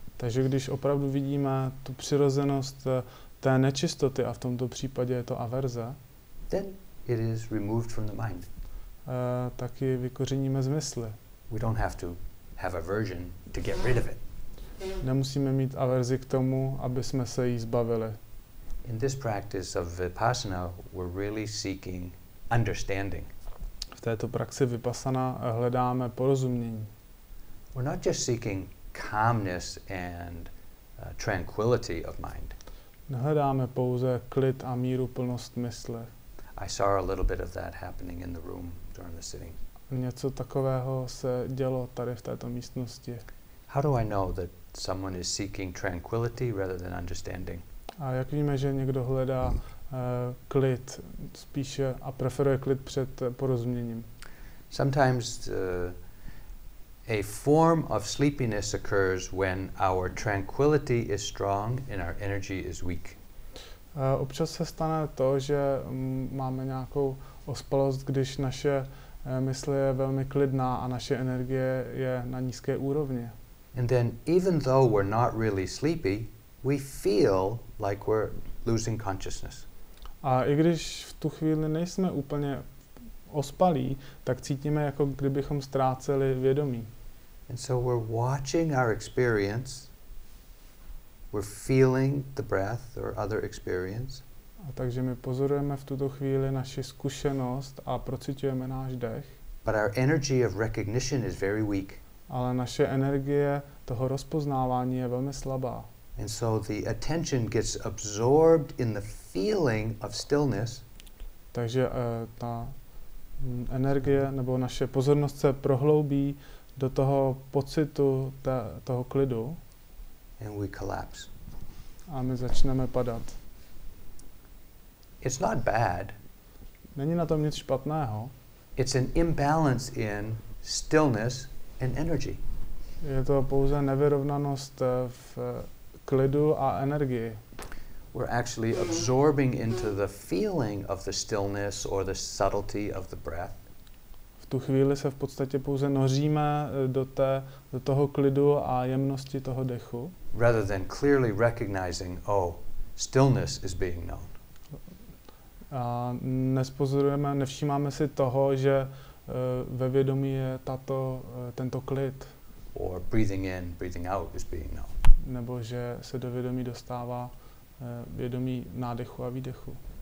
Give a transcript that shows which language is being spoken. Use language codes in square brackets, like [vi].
[cs] Takže když opravdu vidíme tu přirozenost té nečistoty a v tomto případě je to averze, [en] then it is removed from the mind. [cs] Tak ji vykořeníme z mysli. [en] We don't have to have aversion to get rid of it. [cs] Nemusíme mít averzi k tomu, aby jsme se jí zbavili. [en] In this practice of vipassana, we're really seeking understanding. [cs] V této praxi vipassana hledáme porozumění. [en] We're not just seeking calmness and tranquility of mind. [cs] Nehledáme pouze klid a míru, plnost mysle. [en] I saw a little bit of that happening in the room during the sitting. [cs] Něco takového se dělo tady v této místnosti. [en] How do I know that someone is seeking tranquility rather than understanding? [cs] A jak víme, že někdo hledá klid spíše a preferuje klid před porozuměním? [en] Sometimes a form of sleepiness occurs when our tranquility is strong and our energy is weak. [cs] Občas se stane to, že máme nějakou ospalost, když naše mysl je velmi klidná a naše energie je na nízké úrovni. [en] And then even though we're not really sleepy, we feel like we're losing consciousness. [cs] A i když v tu chvíli nejsme úplně ospalí, tak cítíme, jako kdybychom ztráceli vědomí. [en] And so we're watching our experience. We're feeling the breath or other experience. [cs] A takže my pozorujeme v tuto chvíli naši zkušenost a procitujeme náš dech. [en] But our energy of recognition is very weak. [cs] Ale naše energie toho rozpoznávání je velmi slabá. [en] And so the attention gets absorbed in the feeling of stillness. [cs] Takže ta energie nebo naše pozornost se prohloubí do toho pocitu toho klidu. [en] And we collapse. [cs] A my začneme padat. [en] It's not bad. [cs] Není na tom nic špatného. [en] It's an imbalance in stillness and energy. [cs] Je to pouze nevyrovnanost v klidu a energii. [en] We're actually absorbing into the feeling of the stillness or the subtlety of the breath. [cs] V tu chvíli se v podstatě pouze noříme do toho klidu a jemnosti toho dechu. [en] Rather than clearly recognizing, oh, stillness is being known. [cs] A nespozorujeme, nevšímáme si toho, že ve vědomí je tento klid. [en] Or breathing in, breathing out is being known. [cs] Nebo že se do vědomí dostává vědomí nádechu a výdechu.